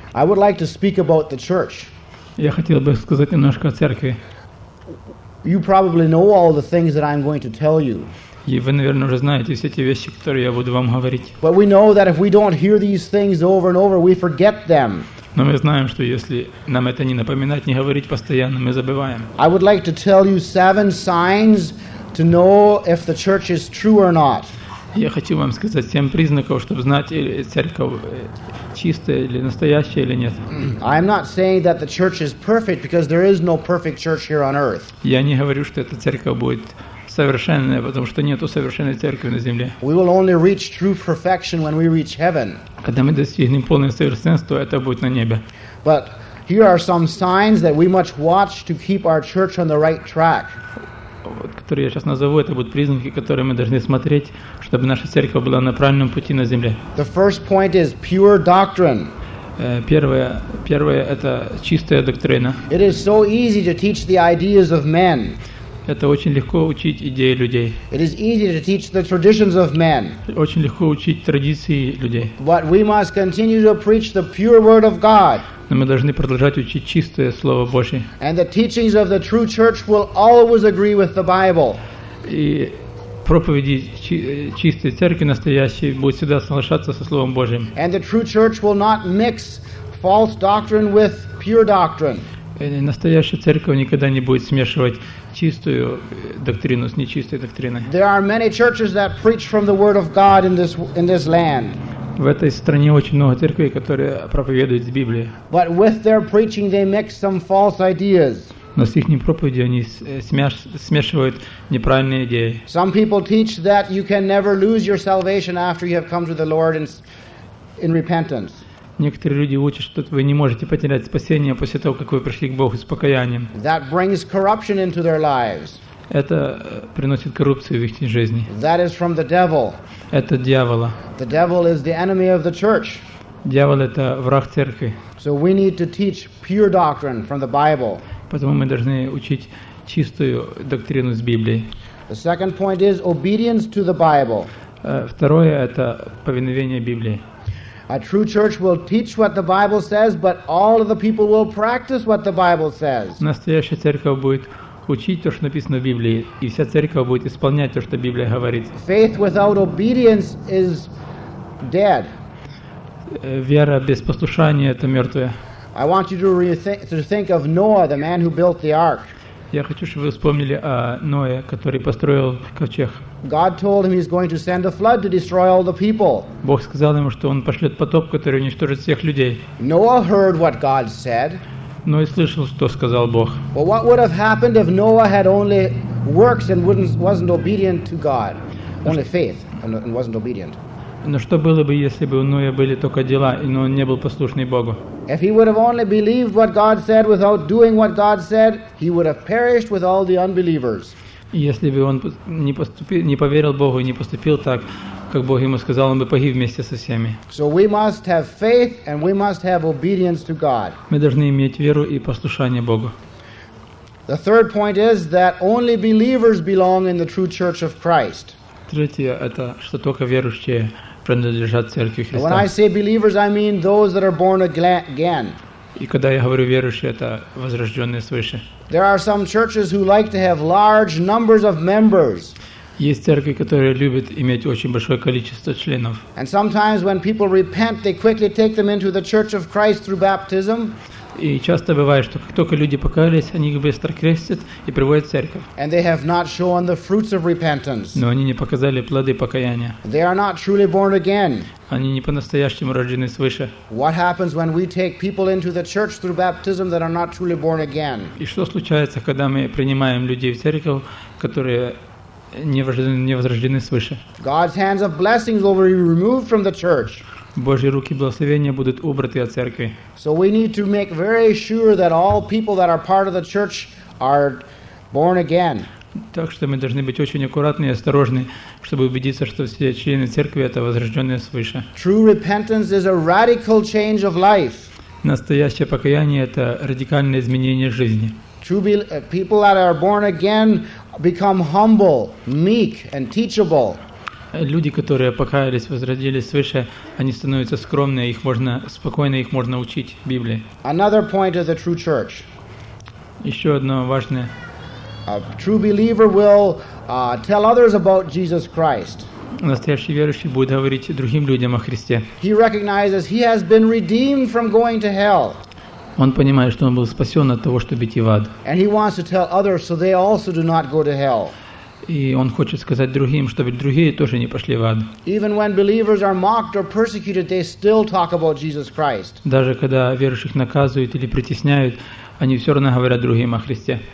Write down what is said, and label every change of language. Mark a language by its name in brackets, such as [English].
[English] I would like to speak about the church. [Russian] Я хотел бы сказать немножко о церкви. [English] You probably know all the things that I'm going to tell you. [Russian] И вы, наверное, уже знаете все те вещи, которые я буду вам говорить. [English] But we know that if we don't hear these things over and over, we forget them. [Russian] Но мы знаем, что если нам это не напоминать, не говорить постоянно, мы забываем. [English] I would like to tell you 7 signs to know if the church is true or not. [Russian] Я хочу вам сказать 7 признаков, чтобы знать, или церковь чистая или настоящая или нет. [English] I'm not saying that the church is perfect because there is no perfect church here on earth. [Russian] Я не говорю, что эта церковь будет совершенная, потому что нету совершенной церкви на земле. [English] We will only reach true perfection when we reach heaven. [Russian] Когда мы достигнем полного совершенства, это будет на небе. [English] But here are some signs that we must watch to keep our church on the right track. [Russian] Вот, которые я сейчас назову, это будут признаки, которые мы должны смотреть, чтобы наша церковь была на правильном пути на земле. [English] The first point is pure doctrine. [Russian] Первое это чистая доктрина. [English] It is so easy to teach the ideas of men. [Russian] Это очень легко учить идеи людей. [English] It is easy to teach the traditions of men. [Russian] Очень легко учить традиции людей. [English] But we must continue to preach the pure word of God. [Russian] Но мы должны продолжать учить чистое слово Божье. [English] And the teachings of the true church will always agree with the Bible. [Russian] И проповеди чистой церкви настоящей будут всегда соглашаться со словом Божьим. [English] And the true church will not mix false doctrine with pure doctrine. [Russian] Настоящая церковь никогда не будет смешивать чистую доктрину с нечистой доктриной. [English] There are many churches that preach from the word of God in this land. [Russian] В этой стране очень много церквей, которые проповедуют из Библии. [English] But with their preaching they mix some false ideas. [Russian] Но с их проповедью они смешивают неправильные идеи. [English] Some people teach that you can never lose your salvation after you have come to the Lord in repentance. [Russian] Некоторые люди учат, что вы не можете потерять спасение после того, как вы пришли к Богу с покаянием. [English] That brings corruption into their lives. [Russian] Это приносит коррупцию в их жизни. [English] That is from the devil. [Russian] Это дьявола. [English] The devil is the enemy of the church. [Russian] Дьявол это враг церкви. [English] So we need to teach pure doctrine from the Bible. [Russian] Поэтому мы должны учить чистую доктрину из Библии. [English] The second point is obedience to the Bible. [Russian] Второе это повиновение Библии. [English] A true church will teach what the Bible says, but all of the people will practice what the Bible says. [Russian] Настоящая церковь будет учить то, что написано в Библии, и вся церковь будет исполнять то, что Библия говорит. [English] Faith without obedience is dead. [Russian] Вера без послушания это мертвая. [English] I want you to think of Noah, the man who built the ark. [Russian] Я хочу, чтобы вы вспомнили о Ное, который построил ковчег. [English] God told him he's going to send a flood to destroy all the people. [Russian] Бог сказал ему, что он пошлет потоп, который уничтожит всех людей. [English] Noah heard what God said. [Russian] Ной слышал, что сказал Бог. [English] Well, what would have happened if Noah had only works and wasn't obedient to God? Only faith and wasn't obedient. [Russian] Но что было бы, если бы у Ноя были только дела, но он не был послушный Богу? [English] If he would have only believed what God said without doing what God said, he would have perished with all the unbelievers. [Russian] Если бы он не поверил Богу и не поступил так, как Бог ему сказал, он бы погиб вместе со всеми. [English] So we must have faith and we must have obedience to God. [Russian] Мы должны иметь веру и послушание Богу. [English] The third point is that only believers belong in the true church of Christ. [Russian] Третье это что только верующие принадлежат церкви Христа. [English] When I say believers, I mean those that are born again. [Russian] И когда я говорю верующие, это возрожденные свыше. [English] There are some churches who like to have large numbers of members. [Russian] Есть церкви, которые любят иметь очень большое количество членов. [English] And sometimes when people repent, they quickly take them into the church of Christ through baptism. [Russian] И часто бывает, что как только люди покаялись, они их быстро крестят и приводят в церковь. [English] And they have not shown the fruits of repentance. [Russian] Но они не показали плоды покаяния. [English] They are not truly born again. [Russian] Они не по-настоящему рождены свыше. [English] What happens when we take people into the church through baptism that are not truly born again? [Russian] И что случается, когда мы принимаем людей в церковь, которые не возрождены свыше? [English] God's hands of blessings will be removed from the church. [Russian] Божьи руки благословения будут убраны от церкви. [English] So we need to make very sure that all people that are part of the church are born again. [Russian] Так что мы должны быть очень аккуратны и осторожны, чтобы убедиться, что все члены церкви это возрожденные свыше. [English] True repentance is a radical change of life. [Russian] Настоящее покаяние это радикальное изменение жизни. [English] People that are born again become humble, meek, and teachable. [Russian] Люди, которые покаялись, возродились свыше, они становятся скромные, их можно спокойно учить Библии. [English] Another point of the true church. [Russian] Еще одно важное. [English] A true believer will tell others about Jesus Christ. [Russian] Настоящий верующий будет говорить другим людям о Христе. [English] He recognizes he has been redeemed from going to hell. [Russian] Он понимает, что он был спасен от того, чтобы идти в ад. [English] And he wants to tell others so they also do not go to hell. [Russian] И он хочет сказать другим, чтобы другие тоже не пошли в ад. [English] Even when believers are mocked or persecuted, they still talk about Jesus Christ. [Russian] Даже когда верующих наказывают или притесняют, они все равно говорят другим о Христе.